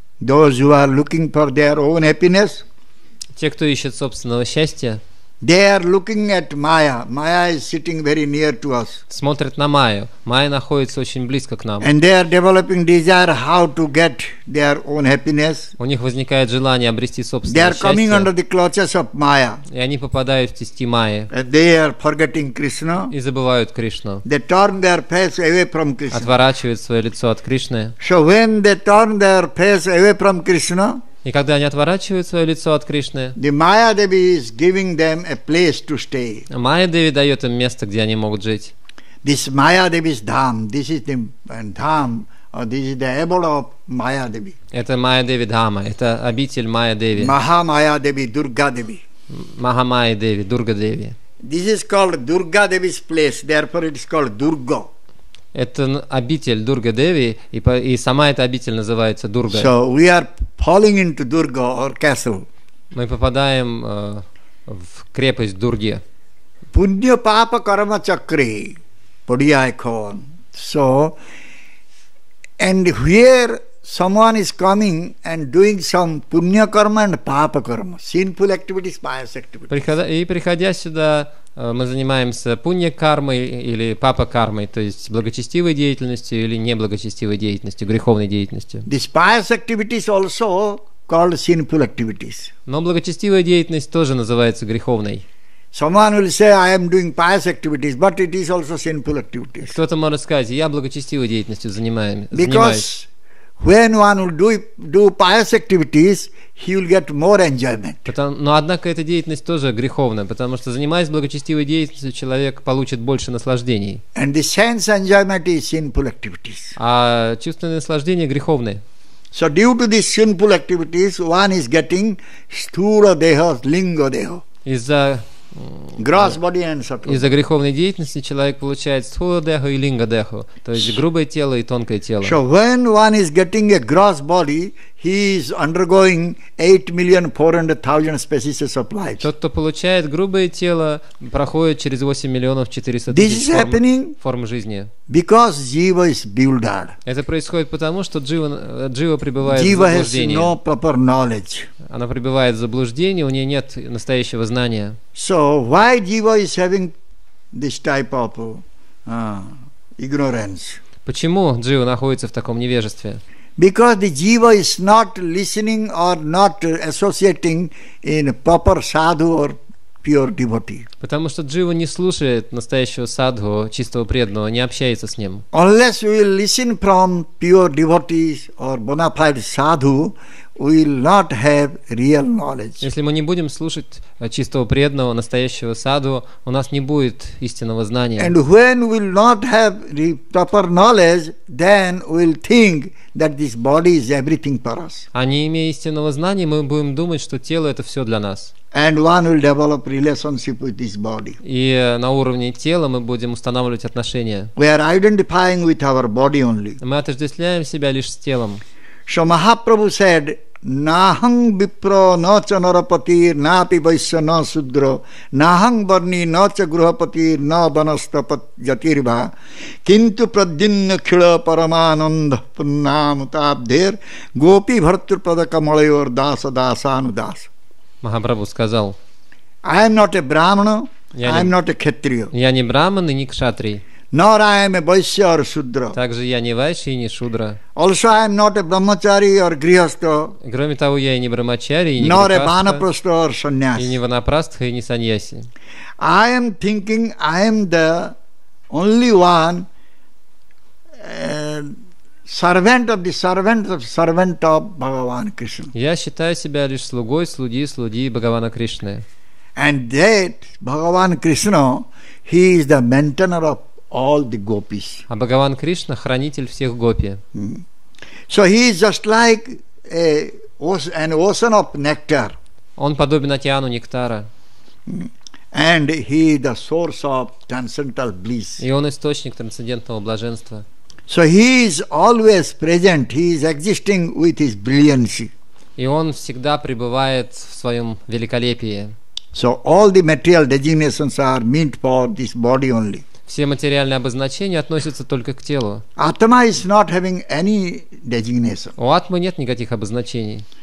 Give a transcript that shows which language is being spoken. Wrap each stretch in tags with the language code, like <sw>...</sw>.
<en>Those who are looking for their own happiness,</en> <ru>те, кто ищет собственного счастья,</ru> <en>they are looking at Maya. Maya is sitting very near to us.</en> <ru>Смотрят на Майю. Майя находится очень близко к нам.</ru> <en>And they are developing desire how to get their own happiness.</en> <ru>У них возникает желание обрести собственное счастье.</ru> <en>They are coming under the clutches of Maya.</en> <ru>И они попадают в тиски Майи.</ru> <en>And they are forgetting Krishna.</en> <ru>И забывают Кришну.</ru> <en>They turn their face away from Krishna.</en> <ru>Отворачивают свое лицо от Кришны.</ru> <en>So when they turn their face away from Krishna.</en> <ru>И когда они отворачивают свое лицо от Кришны,</ru> <en>the Maya Devi is giving them a place to stay.</en> <ru>Майя Деви дает им место, где они могут жить.</ru> <en>This Maya Devi's dham, this is the dham, or this is the abode of Maya Devi.</en> <ru>Это Майя Деви дхама, это обитель Майя Деви. Махамая Деви, Дурга Деви. Махамая Деви, Дурга Деви.</ru> <en>This is called Durga Devi's place, therefore it is called Durga.</en> <ru>Это обитель Дурга Деви, и сама эта обитель называется Дурга.</ru> <en>So we are falling into Durga or castle.</en> <ru>Мы попадаем в крепость Дурги.</ru> <sa>Пунья папа карма чакре, подиякон.</sa> <en>So and here someone is coming and doing some пунья карма and папа карма, sinful activities, pious activities.</en> <ru>Приходя сюда. Мы занимаемся пунья-кармой или папа-кармой, то есть благочестивой деятельностью или неблагочестивой деятельностью, греховной деятельностью.</ru> <en>These pious activities also called sinful activities.</en> <ru>Но благочестивая деятельность тоже называется греховной.</ru> <en>Someone will say, I am doing pious activities, but it is also sinful activities.</en> <ru>Кто-то может сказать, я благочестивой деятельностью занимаюсь.</ru> <en>Because when one will do pious activities, he will get more enjoyment.</en> <ru>Но однако эта деятельность тоже греховная, потому что занимаясь благочестивой деятельностью, человек получит больше наслаждений.</ru> <en>And the sense enjoyment is sinful activities.</en> <ru>А чувственные наслаждения греховные.</ru> <en>So due to these sinful activities, one is getting sthula deha, linga deha.</en> <ru>Из-за греховной деятельности человек получает стхула деху и линга деху, то есть грубое тело и тонкое тело.</ru> <en>So when one is getting a gross body, he is undergoing 8,400,000 species of life.</en> <ru>Тот, кто получает грубое тело, проходит через 8,400,000 форм жизни.</ru> <en>Because jiva is bewildered.</en> <ru>Это происходит потому, что джива пребывает</ru> <en>jiva</en> <ru>в заблуждении.</ru> <en>Has no proper knowledge.</en> <ru>Она пребывает в заблуждении, у нее нет настоящего знания.</ru> <en>So why jiva is having this type of ignorance?</en> <ru>Почему джива находится в таком невежестве?</ru> <en>Because the jiva is not listening or not associating in proper sadhu or pure devotee.</en> <ru>Потому что джива не слушает настоящего садху, чистого преданного, не общается с ним.</ru> <en>Unless we will listen from pure devotees or bona fide sadhu, we will not have real knowledge.</en> <ru>Если мы не будем слушать чистого преданного, настоящего садху, у нас не будет истинного знания.</ru> <en>And when we will not have the proper knowledge, then we will think that this body is everything for us.</en> <ru>А не имея истинного знания, мы будем думать, что тело это все для нас.</ru> <en>And one will develop relationship with this body.</en> <ru>И на уровне тела мы будем устанавливать отношения.</ru> <en>We are identifying with our body only.</en> <ru>Мы отождествляем себя лишь с телом.</ru> <en>So Mahaprabhu said,</en> <sa>নাহং বিপ্র ন চ নরপতি নাপি বৈশ্য ন শূদ্র নাহং বর্ণী ন চ গৃহপতি ন বনস্তপতির্ভা কিন্তু প্রদ্যুন্ন ক্ষীণ পরমানন্দ পুন্নামুতাব্ধের Gopi ভর্তৃপদ কমলয়োর Das দাসানুদাস।</sa> <ru>মহাপ্রভু сказал:</ru> <en>I am not a brahman, I am not a kshatriya.</en> <ru>Я не браман и не кшатрий.</ru> <en>Nor I am a vaishya or shudra.</en> <ru>Также я не вайшь и не шудра.</ru> <en>Also I am not a brahmachari or grihastha.</en> <ru>Кроме того, я и не брахмачари, и не</ru> <en>Nor a vanaprastha or sannyasi.</en> <ru>И не ванапрастха, и не саньяси.</ru> <en>I am thinking I am the only one servant of the servant of servant of Bhagavan Krishna.</en> <ru>Я считаю себя лишь слугой слуги слуги Бхагавана Кришны.</ru> <en>And that Bhagavan Krishna, he is the maintainer of all the gopis.</en> <ru>А Бхагаван Кришна хранитель всех гопи.</ru> <en>So he is just like an ocean of nectar.</en> <ru>Он подобен океану нектара.</ru> <en>And he is the source of transcendental bliss.</en> <ru>И он источник трансцендентного блаженства.</ru> <en>So he is always present. He is existing with his brilliancy.</en> <ru>И он всегда пребывает в своем великолепии.</ru> <en>So all the material designations are meant for this body only.</en> <ru>Все материальные обозначения относятся только к телу.</ru> <en>Atma is not having any designation.</en> <ru>У атмы нет никаких обозначений.</ru>